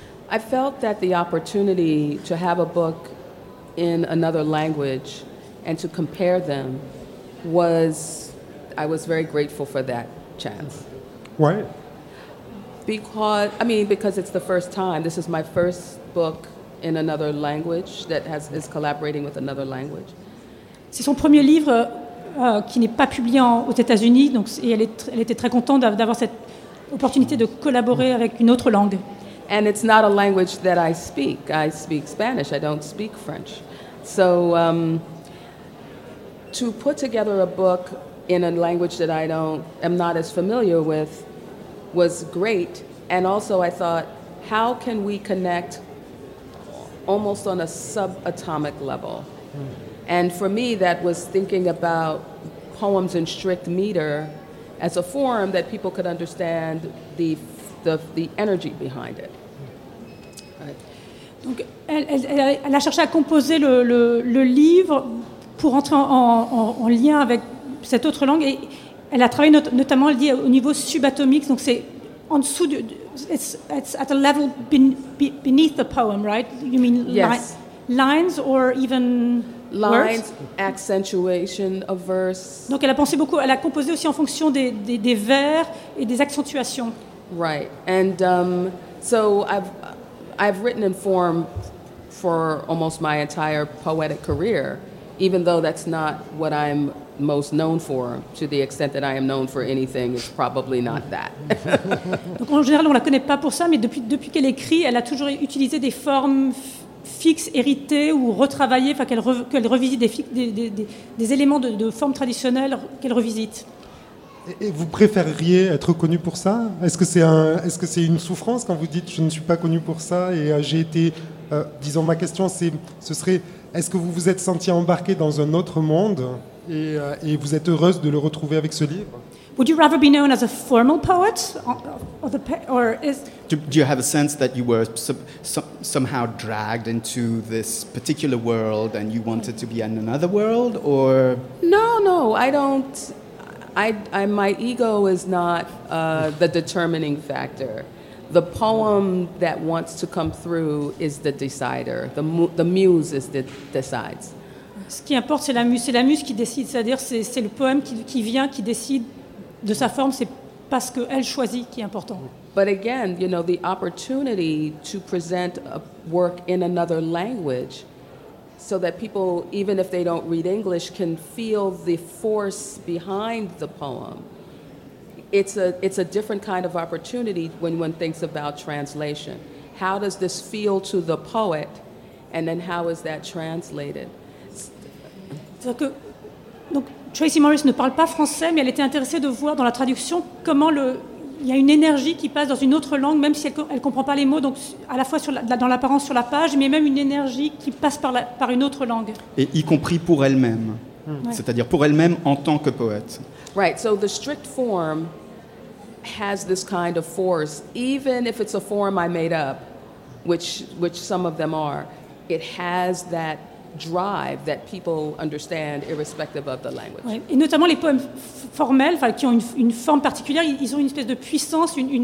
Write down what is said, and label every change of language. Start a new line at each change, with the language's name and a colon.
English: I felt that the opportunity to have a book in another language and to compare them I was very grateful for that chance. Why? Because it's the first time. This is my first book in another language that is collaborating with another language.
French: C'est son premier livre qui n'est pas publié aux États-Unis, donc, et elle était très contente d'avoir cette opportunité de collaborer avec une autre langue.
English: And it's not a language that I speak. I speak Spanish. I don't speak French. So to put together a book in a language that I don't am not as familiar with was great. And also I thought, how can we connect almost on a subatomic level? And for me, that was thinking about poems in strict meter as a form that people could understand the energy behind it.
French: Donc, elle a cherché à composer le livre pour entrer en lien avec cette autre langue. Et elle a travaillé notamment, elle dit, au niveau subatomique. Donc, c'est en dessous de.
English: It's at a level beneath the poem, right? You mean lines or even lines, words? Accentuation of verse.
French: Donc, elle a pensé beaucoup. Elle a composé aussi en fonction des vers et des accentuations.
English: Right. And so I've written in form for almost my entire poetic career, even though that's not what I'm most known for. To the extent that I am known for anything, it's probably not that.
French: Donc en général, on la connaît pas pour ça, mais depuis qu'elle écrit, elle a toujours utilisé des formes fixes, héritées ou retravaillées, enfin qu'elle revisite des éléments de formes traditionnelles qu'elle revisite. Et vous préféreriez être connu pour ça? Est-ce que c'est une souffrance quand vous dites « je ne suis pas connu pour ça » et j'ai été, disons, ma question, ce serait est-ce que vous vous êtes senti embarqué dans un autre monde et vous êtes heureuse de le retrouver avec ce livre?
English: Would you rather be known as a formal poet, or is? Do you have a sense that you were somehow dragged into this particular world and you wanted to be in another world, or? No, I don't. I my ego is not the determining factor. The poem that wants to come through is the decider. The muse is the decides.
French: Ce qui importe, c'est la muse. C'est la muse qui décide. C'est-à-dire, c'est le poème qui vient, qui décide de sa forme. C'est parce que elle choisit qui est important.
English: But again, you know, the opportunity to present a work in another language, so that people, even if they don't read English, can feel the force behind the poem. It's a different kind of opportunity when one thinks about translation. How does this feel to the poet, and then how is that translated?
French: Donc Tracy Morris ne parle pas français, mais elle était intéressée de voir dans la traduction comment il y a une énergie qui passe dans une autre langue, même si elle comprend pas les mots, donc à la fois dans l'apparence sur la page, mais même une énergie qui passe par une autre langue. Et y compris pour elle-même, c'est-à-dire pour elle-même en tant que poète.
English: Right, so the strict form has this kind of force, even if it's a form I made up, which some of them are, it has that drive that people understand irrespective of the language.
French: Ouais. Et notamment les poèmes formels, enfin qui ont une forme particulière, ils ont une espèce de puissance,